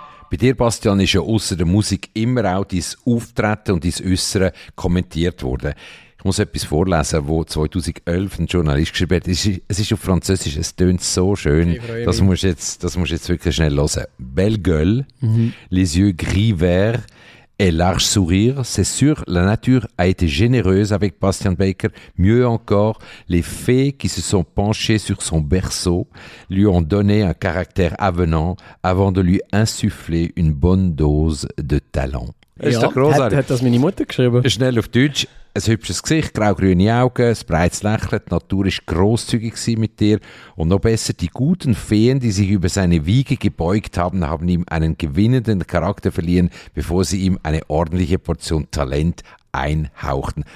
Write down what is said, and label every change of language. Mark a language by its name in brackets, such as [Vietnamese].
[German] Bei dir, Bastian, ist ja außer der Musik immer auch dein Auftreten und dein Äußeren kommentiert worden. Ich muss etwas vorlesen, wo 2011 ein Journalist geschrieben hat. Es ist auf Französisch, es tönt so schön. Das musst du jetzt wirklich schnell hören. [French] Belle gueule, les yeux gris-verts et large sourire. C'est sûr, la nature a été généreuse avec Bastian Baker. Mieux encore, les fées qui se sont penchées sur son berceau lui ont donné un caractère avenant avant de lui insuffler une bonne dose de talent. [German] Ja, ist doch grossartig. Hat das meine Mutter geschrieben? Schnell auf Deutsch. Ein hübsches Gesicht, grau-grüne Augen, ein breites Lächeln, die Natur war grosszügig mit dir. Und noch besser, die guten Feen, die sich über seine Wiege gebeugt haben, haben ihm einen gewinnenden Charakter verliehen, bevor sie ihm eine ordentliche Portion Talent einhauchten.